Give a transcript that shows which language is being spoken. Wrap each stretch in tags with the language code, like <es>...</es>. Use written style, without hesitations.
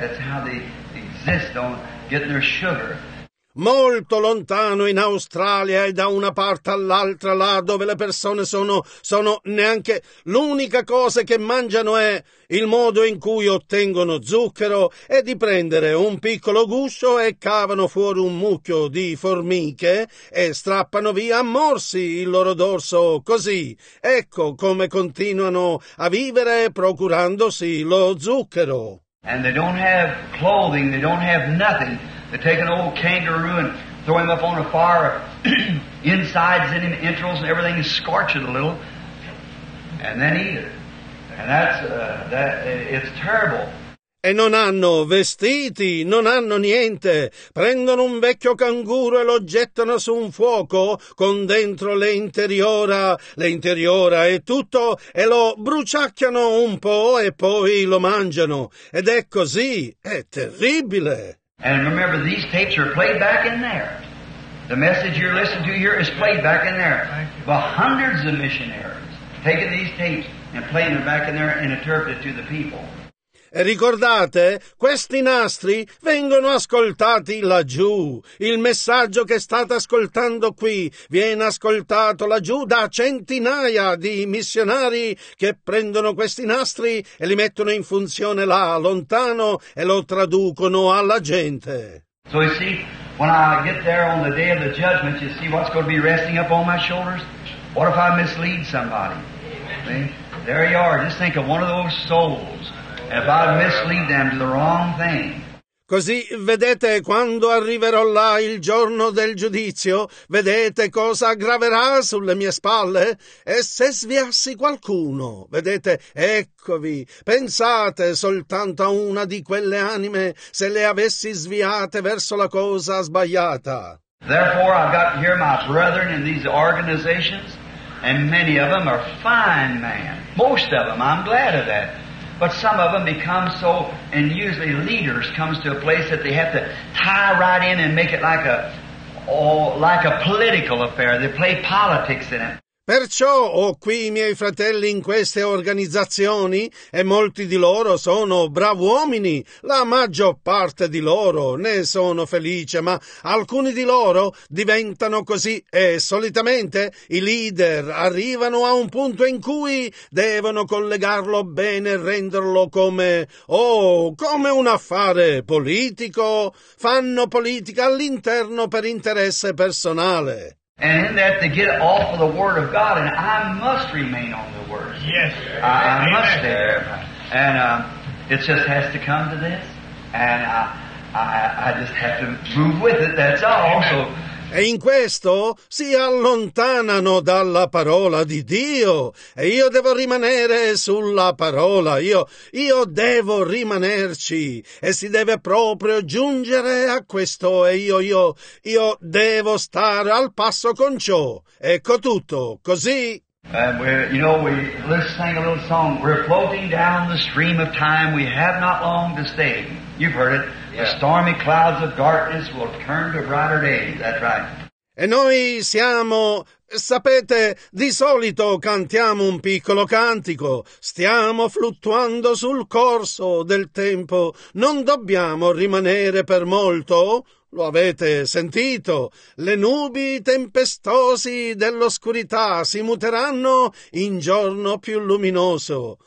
<en>That's how they exist on getting their sugar.</en> <it>Molto lontano in Australia e da una parte all'altra là dove le persone sono neanche... L'unica cosa che mangiano è il modo in cui ottengono zucchero e di prendere un piccolo guscio e cavano fuori un mucchio di formiche e strappano via a morsi il loro dorso così. Ecco come continuano a vivere procurandosi lo zucchero.</it> <en>And they don't have clothing, they don't have nothing. They take an old kangaroo and throw him up on a fire, insides in him, entrails and everything, and scorch it a little, and then eat it. And that's, it's terrible.</en> <it>E non hanno vestiti, non hanno niente. Prendono un vecchio canguro e lo gettano su un fuoco con dentro l'interiora e tutto, e lo bruciacchiano un po' e poi lo mangiano. Ed è così, è terribile.</it> <en>And remember, these tapes are played back in there. The message you're listening to here is played back in there. But hundreds of missionaries taking these tapes and playing them back in there and interpret to the people.</en> <it>E ricordate, questi nastri vengono ascoltati laggiù. Il messaggio che state ascoltando qui viene ascoltato laggiù da centinaia di missionari che prendono questi nastri e li mettono in funzione là, lontano, e lo traducono alla gente.</it> <en>So you see, when I get there on the day of the judgment, you see what's going to be resting up on my shoulders? What if I mislead somebody? See? There you are. Just think of one of those souls. If I mislead them to the wrong thing.</en> <it>Così, vedete, quando arriverò là il giorno del giudizio, vedete cosa graverà sulle mie spalle? E se sviassi qualcuno, vedete, eccovi, pensate soltanto a una di quelle anime se le avessi sviate verso la cosa sbagliata.</it> <en>Therefore I've got here my brethren in these organizations, and many of them are fine men. Most of them, I'm glad of that. But some of them become so, and usually leaders comes to a place that they have to tie right in and make it like a, oh, like a political affair. They play politics in it.</en> <it>Perciò ho qui i miei fratelli in queste organizzazioni, e molti di loro sono bravi uomini, la maggior parte di loro ne sono felice, ma alcuni di loro diventano così, e solitamente i leader arrivano a un punto in cui devono collegarlo bene e renderlo come, oh, come un affare politico, fanno politica all'interno per interesse personale.</it> <en>And in that to get off of the Word of God, and I must remain on the Word. Yes. I must stay there. And it just has to come to this. And I just have to move with it, that's all. Amen. So,</en> <it>e in questo si allontanano dalla parola di Dio. E io devo rimanere sulla parola. Io devo rimanerci. E si deve proprio giungere a questo. E io devo stare al passo con ciò. Ecco tutto. Così.</it> <en>And let's sing a little song. We're floating down the stream of time. We have not long to stay. You've heard it. The stormy clouds of darkness will turn to brighter days. That's right.</en> <it>E noi siamo, sapete, di solito cantiamo un piccolo cantico. Stiamo fluttuando sul corso del tempo. Non dobbiamo rimanere per molto. Lo avete sentito? Le nubi tempestosi dell'oscurità si muteranno in giorno più luminoso.</it>